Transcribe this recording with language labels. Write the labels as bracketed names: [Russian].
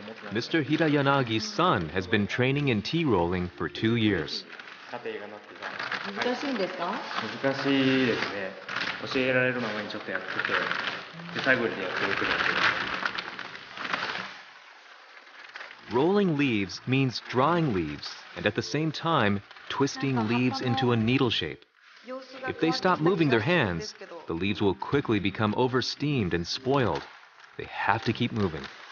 [English] Mr. Hirayanagi's son has been training in tea rolling for 2 years. [Japanese] 難しいんですか？難しいですね。教えられるままにちょっとやってて、で最後にやってるくらいで。 [English] Rolling leaves means drying leaves and at the same time twisting leaves into a needle shape. If they stop moving their hands, the leaves will quickly become oversteamed and spoiled. They have to keep moving.